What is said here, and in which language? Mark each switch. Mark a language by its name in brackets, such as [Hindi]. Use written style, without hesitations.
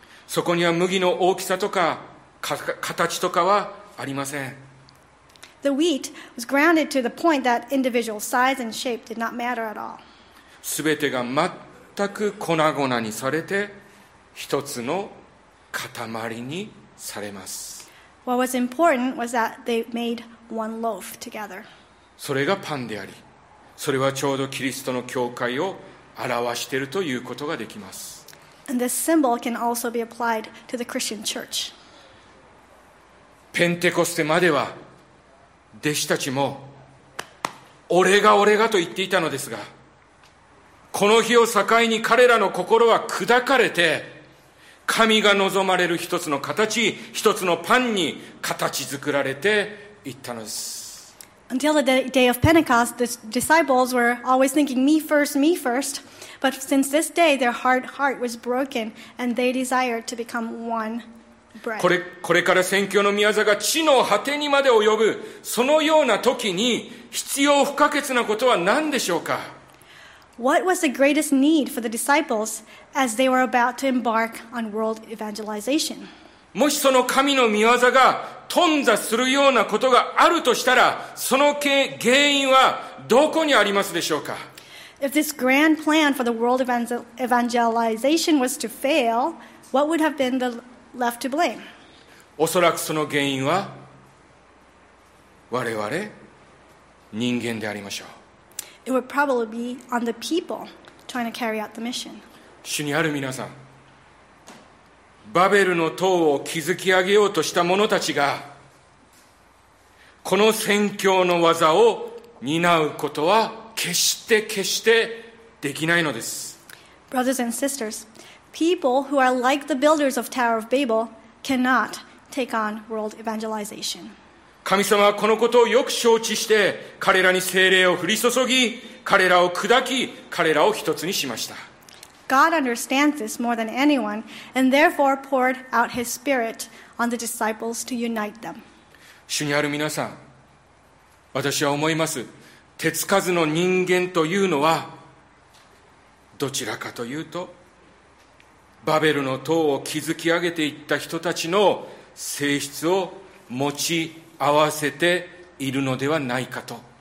[Japanese] そこには麦の大きさとか形とかはありません。 [English] The wheat was grounded to the point that individual size and shape did not matter at all. [Japanese] すべてが全く粉々にされて、一つの塊にされます。 [English] What was important was that they made one loaf together. [Japanese] それがパンであり、それはちょうどキリストの教会を表しているということができます。 [English] And this symbol can also be applied to the Christian church. [Japanese] ペンテコステまでは弟子たちも俺が俺がと言っていたのですが、この日を境に彼らの心は砕かれて、神が望まれる一つの形、一つのパンに形作られていったのです。 [English] Until the day of Pentecost, the disciples were always thinking, me first, me first. But since this day, their hard heart was broken, and they desired to become one bread. [Japanese] これから宣教の御業が地の果てにまで及ぶ、そのような時に必要不可欠なことは何でしょうか？ [English] What was the greatest need for the disciples as they were about to embark on world evangelization? [Japanese] もしその神の御業が頓挫するようなことがあるとしたら、その原因はどこにありますでしょうか？ [English] If this grand plan for the world evangelization was to fail, what would have been the left to blame? [Japanese] おそらくその原因は我々人間でありましょう。 [English] It would probably be on the people trying to carry out the mission. [Japanese] 主にある皆さん、バベルの塔を築き上げようとした者たちがこの宣教の技を担うことは決してできないのです。 [English] Brothers and sisters, people who are like the builders of Tower of Babel cannot take on world evangelization. [Japanese] 神様はこのことをよく承知して彼らに聖霊を降り注ぎ、彼らを砕き、彼らを一つにしました。 [English] God understands this more than anyone, and therefore poured out His Spirit on the disciples to unite them. [Japanese] 主にある皆さん、私は思います。手つかずの人間というのは、どちらかというと、バベルの塔を築き上げていった人たちの性質を持ち合わせているのではないかと。